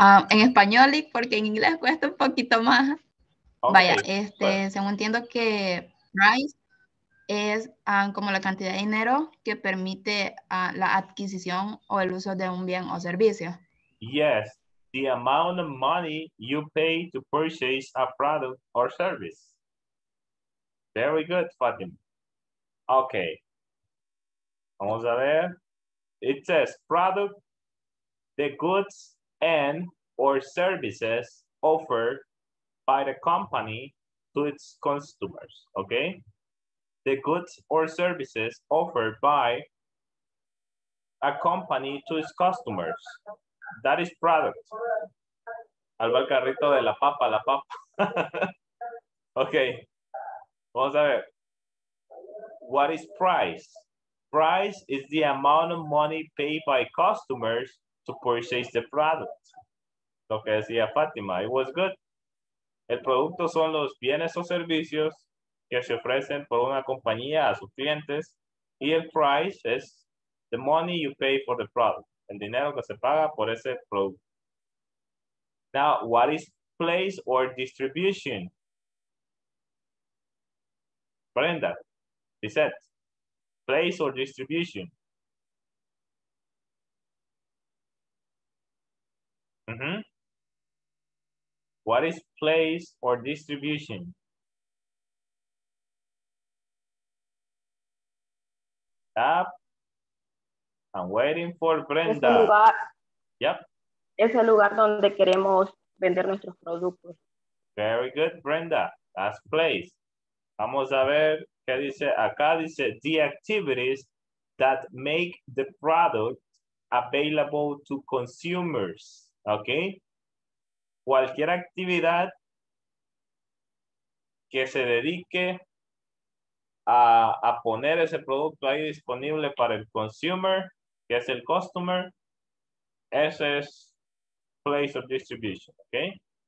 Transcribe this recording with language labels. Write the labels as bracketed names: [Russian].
[Spanish] En español, y porque en inglés cuesta un poquito más. Okay. Vaya, este, bueno. Según entiendo que price es como la cantidad de dinero que permite la adquisición o el uso de un bien o servicio. [English] Yes, the amount of money you pay to purchase a product or service. Very good, Fatima. Okay. [Spanish] Vamos a ver. [English] It says product, the goods and or services offered by the company to its customers, okay? The goods or services offered by a company to its customers. That is product. [Spanish] Alba el carrito de la papa. Okay. Vamos a ver. [English] What is price? Price is the amount of money paid by customers to purchase the product. [Spanish] Lo que decía Fátima, [English] it was good. [Spanish] El producto son los bienes o servicios que se ofrecen por una compañía a sus clientes. Y el [English] price es the money you pay for the product. [Spanish] El dinero que se paga por ese producto. [English] Now, what is place or distribution? Brenda, Lisette, place or distribution? What is place or distribution? Stop. I'm waiting for Brenda. [Spanish] Es el lugar. [English] Yep. [Spanish] Es el lugar donde queremos vender nuestros productos. [English] Very good, Brenda. That's place. [Spanish] Vamos a ver qué dice. Acá dice [English] the activities that make the product available to consumers. Okay. [Spanish] Cualquier actividad que se dedique a poner ese producto ahí disponible para el consumer, que es el customer, ese es place of distribution, okay?